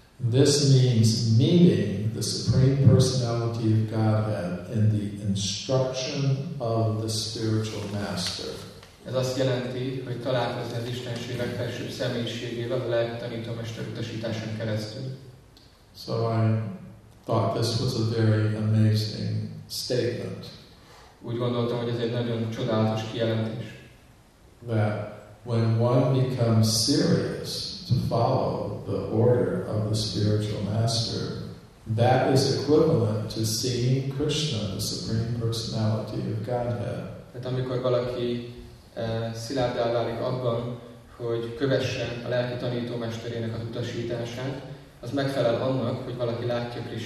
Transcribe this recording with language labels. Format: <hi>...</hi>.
<en>This means meeting the Supreme Personality of Godhead in the instruction of the spiritual master.</en> <hu>Ez azt jelenti, hogy találkozni az Istenségnek felsőbb személyiségével a lelki tanítómester utasításon keresztül.</hu> <en>So I thought this was a very amazing statement.</en> <hu>Úgy gondoltam, hogy ez egy nagyon csodálatos kijelentés.</hu> <en>That when one becomes serious to follow the order of the spiritual master, that is equivalent to seeing Krishna, the Supreme Personality of Godhead.</en> <hu>Tehát amikor valaki szilárddá válik abban, hogy kövesse a lelki tanítómesterének az utasítását, az megfelel annak, hogy valaki látja</hu>